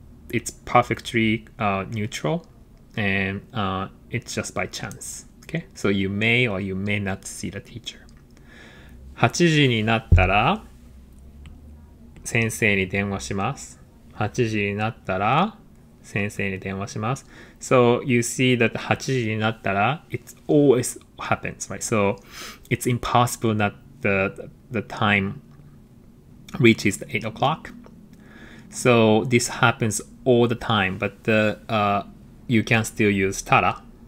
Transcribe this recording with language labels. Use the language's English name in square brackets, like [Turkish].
[English] It's perfectly neutral. And it's just by chance. Okay, so you may or you may not see the teacher. [Japanese] 8時になったら先生に電話します。 8時になったら先生に電話します。 [English] So you see that 8時になったら it always happens, right? So it's impossible that the time reaches the 8 o'clock. So this happens all the time, but the you can still use tada.